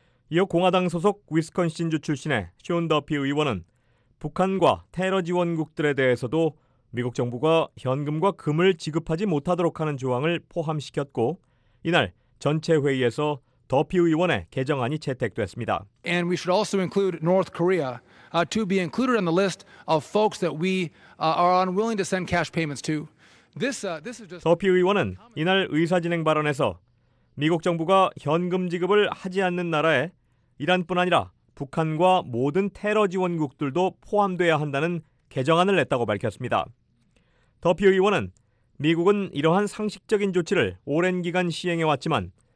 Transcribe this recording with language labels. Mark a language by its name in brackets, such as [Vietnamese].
[Korean] 이어 공화당 소속 위스콘신주 출신의 쇼 더피 의원은 북한과 테러 지원국들에 대해서도 미국 정부가 현금과 금을 지급하지 못하도록 하는 조항을 포함시켰고 이날 전체 회의에서 더피 의원의 개정안이 채택됐습니다. [English] And we should also include North Korea. To be included on the list of folks that we are unwilling to send cash payments to. This is just. [Korean] 더피 의원은 이날 의사진행 발언에서 미국 정부가 현금 지급을 하지 않는 나라에 이란뿐 아니라 북한과 모든 테러 지원국들도 포함돼야 한다는 개정안을 냈다고 밝혔습니다. 더피 의원은 미국은 이러한 상식적인 조치를 오랜 기간 시행해 왔지만